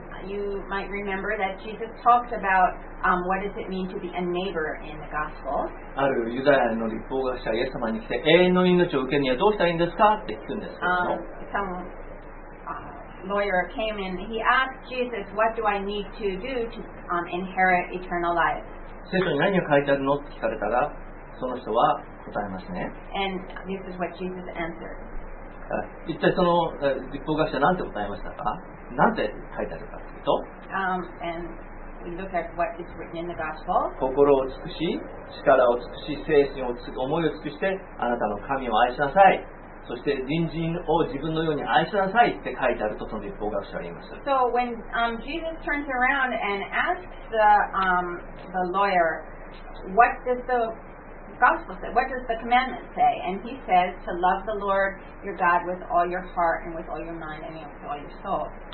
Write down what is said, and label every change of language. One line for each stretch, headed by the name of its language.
English: You might remember that Jesus talked about, what does it mean to be a neighbor in the gospel.
Japanese: あるユダヤの律法学者、イエス様に来て、永遠の命を受けるにはどうしたらいいんですかって聞くんですけども。
English: Some, lawyer came and he asked Jesus, what do I need to do to, inherit eternal life?
Japanese: 聖書に何が書いてあるのって聞かれたら、その人は答えますね。
English: And this is what Jesus answered.
Japanese: 一体その立法学者は何て答えましたか？何て書いてあるかというと、
English: and we look at what is written in the gospel.
Japanese: 心を尽くし、力を尽くし、精神を尽く、思いを尽くして、あなたの神を愛しなさい。そして隣人を自分のように愛しなさいって書いてあるとその立法学者は言いました。
English: So when, Jesus turns around and asks the, the lawyer, what does the gospel say? What does the commandment say? And he says to love the Lord your God with all your heart and with all your mind and with all your soul.